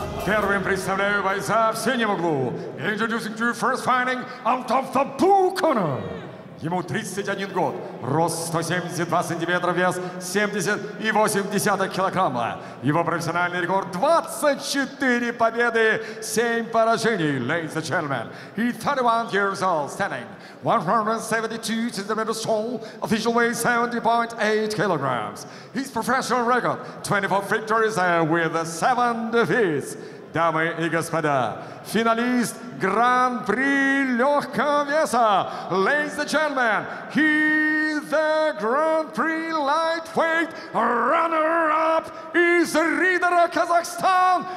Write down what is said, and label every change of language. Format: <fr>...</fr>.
<ru>Первым представляю бойца в синем углу.</ru> <en>Introducing to you first fighting out of the blue corner.</en> <ru>Ему 31 год, рост 172 сантиметра, вес 70,8 килограмма. Его профессиональный рекорд 24 победы, 7 поражений,</ru> <en>ladies and gentlemen. He 31 years old, standing 172 centimeters tall, official weight 70.8 kilograms. His professional record 24 victories with 7 defeats.</en> <ru>Дамы и господа, финалист Гран-при легкого веса.</ru> <en>Ladies and gentlemen, he's the Grand Prix lightweight runner-up</en> <ru>из Ридера,</ru> <en>Казахстан.</en>